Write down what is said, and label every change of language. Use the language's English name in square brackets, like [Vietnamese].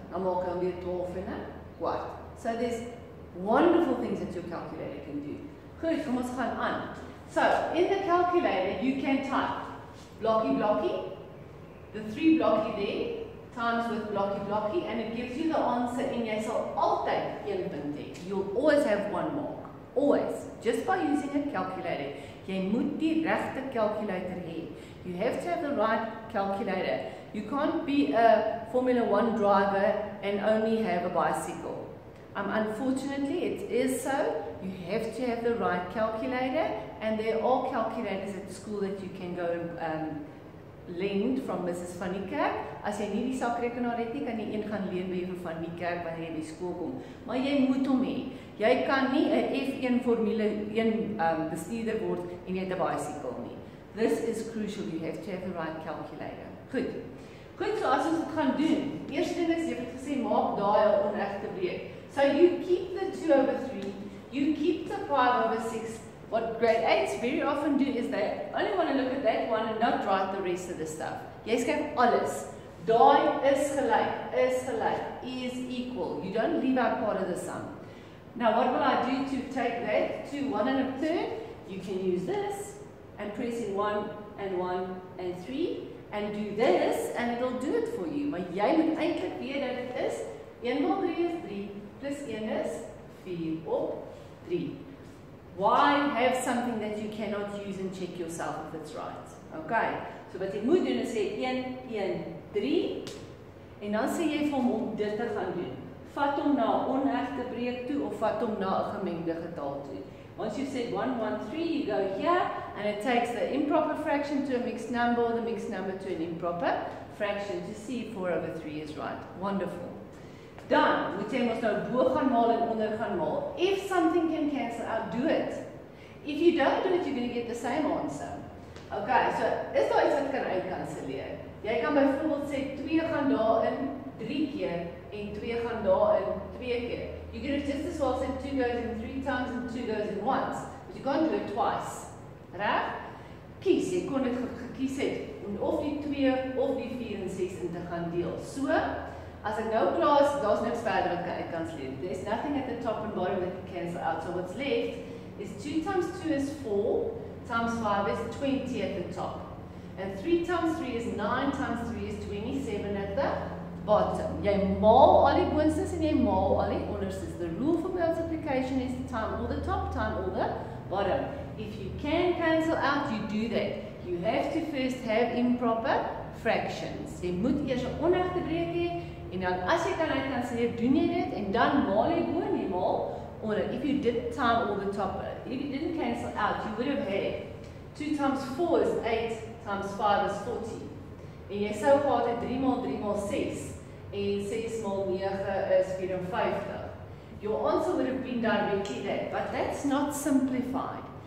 [English] I'm all going to be 12 and a quart. So there's wonderful things that your calculator can do. Good, kom ons gaan aan. So, in the calculator, you can type blocky blocky, the 3 blocky there, times with blocky blocky, and it gives you the answer in [Afrikaans] jy sal altyd 1 punt hê. [English] You'll always have one mark. Always. Just by using a calculator. [Afrikaans] Jy moet die regte calculator hê. [English] You have to have the right calculator. You can't be a Formula One driver and only have a bicycle. Unfortunately, it is so. You have to have the right calculator, and there are all calculators at school that you can go and lend from Mrs. [Afrikaans] Van Niekerk. As jy nie die sakrekenaar het nie, kan jy een gaan leen by Mrs. Van Niekerk wanneer jy by school kom. Maar jy moet hom hê. Jy kan nie 'n F1 Formule 1 bestuurder word en jy het 'n bicycle nie. [English] This is crucial. You have to have the right calculator. [Afrikaans] Goed, so as ons dit gaan doen, eerste ding is, jy het gesê, maak daai 'n onregte breuk. [English] So you keep the 2 over 3, you keep the 5 over 6. What grade 8s very often do is they only want to look at that one and not write the rest of the stuff. [Afrikaans] Jy skryf alles. Daai is gelyk, is equal. [English] You don't leave out part of the sum. Now what will I do to take that to 1 and a third? You can use this and press in 1 and 1 and 3 and do this and it'll do it for you. [Afrikaans] Maar jy moet eintlik weet dat dit is 1 maal 3 is 3. Plus 1 is 4 op 3. [English] Why have something that you cannot use and check yourself if it's right? [Afrikaans] Okay, so wat jy moet doen is sê 1, 1, 3. En dan sê jy vir hom dit te gaan doen. Vat hom na onregte breuk toe of vat hom na 'n gemengde getal toe. [English] Once you've said 1, 1, 3, you go here and it takes the improper fraction to a mixed number or the mixed number to an improper fraction to see if 4 over 3 is right. Wonderful. [Afrikaans] Dan moet jy mos nou bo gaan maal en onder gaan maal. [English] If something can cancel out, do it. If you don't do it, you're going to get the same answer. [Afrikaans] Okay, so is daar iets wat kan uitkanselleer? Jy kan byvoorbeeld sê 2 gaan daarin 3 keer en 2 gaan daarin 2 keer. [English] You could have just as well said 2 goes in 3 times and 2 goes in once, but you can't do it twice. [Afrikaans] Reg? Kies, jy kon dit gekies het om of die 2 of die 4 en 6 in te gaan deel. So as ek nou klaar is, daar is niks verder wat ek kan sleep. [English] There is nothing at the top and bottom that can cancel out. So what's left is 2 times 2 is 4, times 5 is 20 at the top. And 3 times 3 is 9, times 3 is 27 at the bottom. Jy maal al die boonstes en jy maal al die onderstes. The rule for multiplication is time all the top, time all the bottom. If you can cancel out, you do that. You have to first have improper fractions. [Afrikaans] Jy moet eers 'n onregte breuk hê. En dan as jy kan uitkanselleer, doen jy dit en dan maal jy bo en jy maal onder. [English] If you didn't time all the top, if you didn't cancel out, you would have had 2 times 4 is 8, times 5 is 40. [Afrikaans] En jy sou gehad het 3 maal 3 maal 6 en 6 maal 9 is 54. [English] Your answer would have been directly that, but that's not simplified.